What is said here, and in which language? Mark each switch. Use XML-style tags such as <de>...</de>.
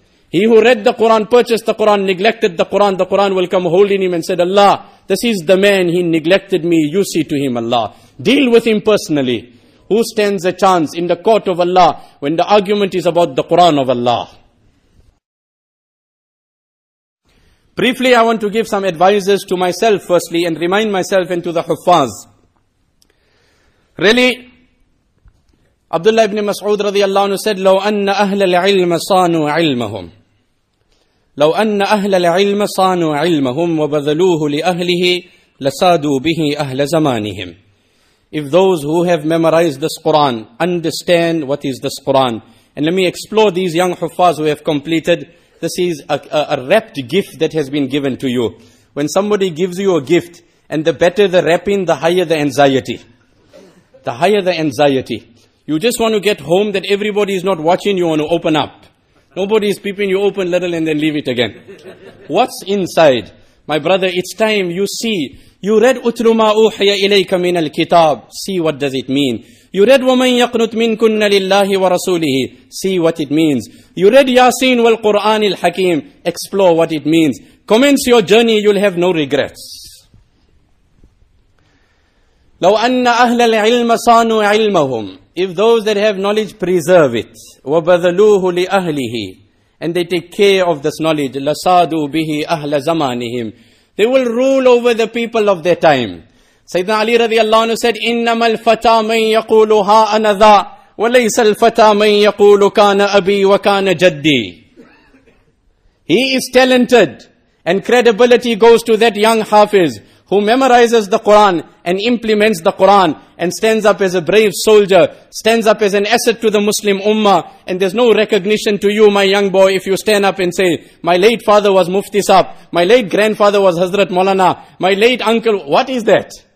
<en>He who read the Quran, purchased the Quran, neglected the Quran will come holding him and said, Allah, this is the man, he neglected me, you see to him, Allah. Deal with him personally. Who stands a chance in the court of Allah when the argument is about the Quran of Allah? Briefly, I want to give some advices to myself firstly and remind myself and to the Huffaz. Really, Abdullah ibn Mas'ud radiallahu anhu said,</en> <ar>لو أن أهل العلم صانوا علمهم لو أن أهل العلم صانوا علمهم وبذلوه لأهله لسادوا به أهل زمانهم.</ar> <en>If those who have memorized this Quran understand what is this Quran. And let me explore these young Huffaz who have completed. This is a wrapped gift that has been given to you. When somebody gives you a gift, and the better the wrapping, the higher the anxiety. The higher the anxiety. You just want to get home that everybody is not watching, you want to open up. Nobody is peeping, you open little and then leave it again. What's inside? My brother, it's time you see. You read</en> <ar>Utlu ma uhiya ilayka min al-kitab.</ar> <en>See what does it mean. You read</en> <ar>وَمَنْ يَقْنُتْ مِنْكُنَّ لِلَّهِ وَرَسُولِهِ.</ar> <en>See what it means. You read</en> <ar>Yasin wal-Qur'an al-Hakim.</ar> <en>Explore what it means. Commence your journey, you'll have no regrets.</en> <ar>لَوْ أَنَّ أَهْلَ الْعِلْمَ صَانُوا عِلْمَهُمْ.</ar> <en>If those that have knowledge preserve it,</en> <ar>وَبَذَلُوهُ لِأَهْلِهِ,</ar> <en>and they take care of this knowledge,</en> <ar>لَسَادُوا بِهِ أَهْلَ زَمَانِهِمْ,</ar> <en>they will rule over the people of their time. Sayyidina Ali radiallahu anhu said,</en> <ar>إِنَّمَا الْفَتَى مَنْ يَقُولُ هَا أَنَا ذَا وَلَيْسَ الْفَتَى مَنْ يَقُولُ كَانَ أَبِي وَكَانَ جَدِّي.</ar> <en>He is talented, and credibility goes to that young Hafiz who memorizes the Quran and implements the Quran and stands up as a brave soldier, stands up as an asset to the Muslim Ummah. And there's no recognition to you, my young boy, if you stand up and say, my late father was Mufti Saab, my late grandfather was Hazrat Maulana, my late uncle, what is that?</en>